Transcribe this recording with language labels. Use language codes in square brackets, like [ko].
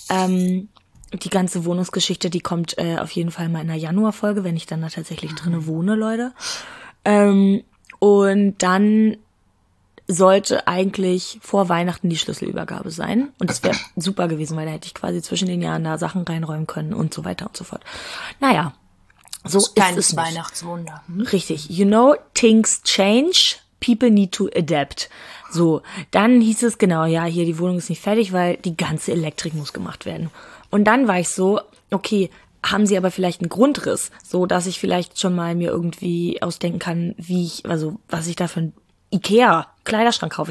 [de] Die ganze Wohnungsgeschichte, die kommt auf jeden Fall mal in der Januarfolge, wenn ich dann da tatsächlich drinne wohne, Leute. Und dann sollte eigentlich vor Weihnachten die Schlüsselübergabe sein. Und das wäre super gewesen, weil da hätte ich quasi zwischen den Jahren da Sachen reinräumen können und so weiter und so fort. Naja, so ist es nicht. Kleines Weihnachtswunder. Richtig. [en] You know, things change, people need to adapt. [de] So, dann hieß es genau, ja, hier, die Wohnung ist nicht fertig, weil die ganze Elektrik muss gemacht werden. Und dann war ich so, okay, haben sie aber vielleicht einen Grundriss, so dass ich vielleicht schon mal mir irgendwie ausdenken kann, wie ich, also was ich da für einen IKEA-Kleiderschrank kaufe.